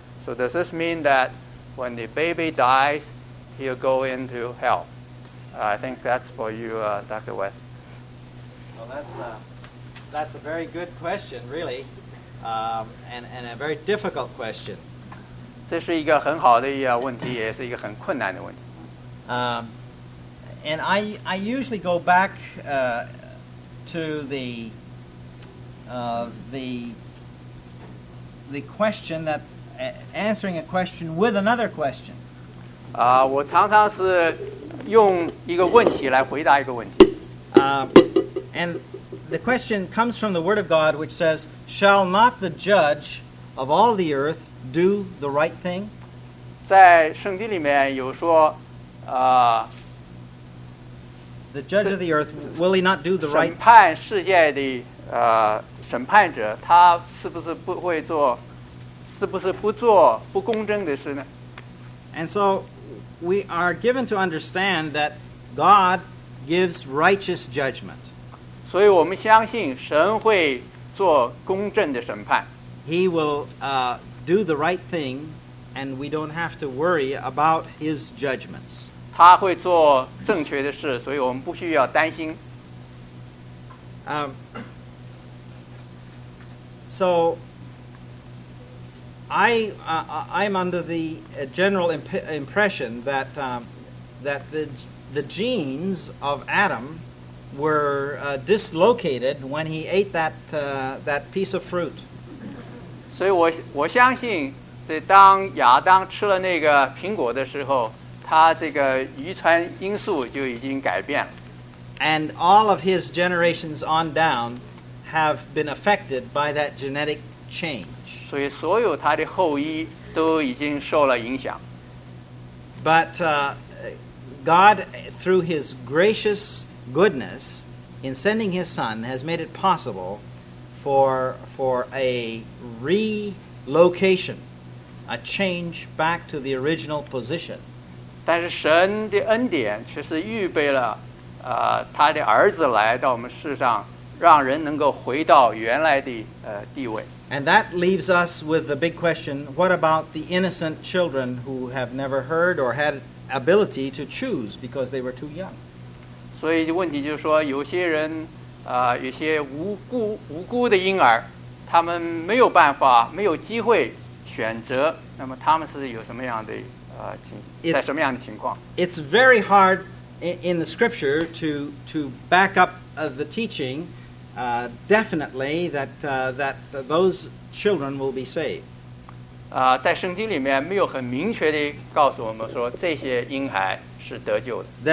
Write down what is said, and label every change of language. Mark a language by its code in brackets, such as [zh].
[en] So does this mean that when the baby dies, he'll go into hell? I think that's for you, Dr. West. Well, that's a very good question, really, and a very difficult question. [zh] 这是一个很好的问题，也是一个很困难的问题。 [en] And I usually go back to the question that answering a question with another question. [zh] 我常常是用一个问题来回答一个问题。 [en] And the question comes from the Word of God, which says, "Shall not the judge of all the earth do the right thing?" [zh] 在圣经里面有说， [en] The judge of the earth, will he not do the [zh] 审 [en] right? [zh] 判世界的审判者，他是不是不会做，是不是不做不公正的事呢？ [en] And so we are given to understand that God gives righteous judgment. [zh] 所以我们相信神会做公正的审判。 [en] He will do the right thing, and we don't have to worry about his judgments. [zh] 他会做正确的事，所以我们不需要担心。 [en] So I'm under the general impression that the genes of Adam were dislocated when he ate that piece of fruit. [zh] 所以我相信，在当亚当吃了那个苹果的时候，他这个遗传因素就已经改变了。 [en] And all of his generations on down have been affected by that genetic change. [zh] 所以所有他的后裔都已经受了影响。 [en] But God, through his gracious goodness in sending his son, has made it possible for a relocation, a change back to the original position. [zh] 但是神的恩典却是预备了，他的儿子来到我们世上，让人能够回到原来的地位。 [en] And that leaves us with the big question: what about the innocent children who have never heard or had ability to choose because they were too young? [zh] 所以问题就是说，有些人，有些无辜的婴儿，他们没有办法，没有机会选择，那么他们是有什么样的在什么样的情况？ [en] It's very hard in the scripture to back up the teaching definitely that those children will be saved. [zh] 在圣经里面没有很明确地告诉我们说这些婴孩是得救的。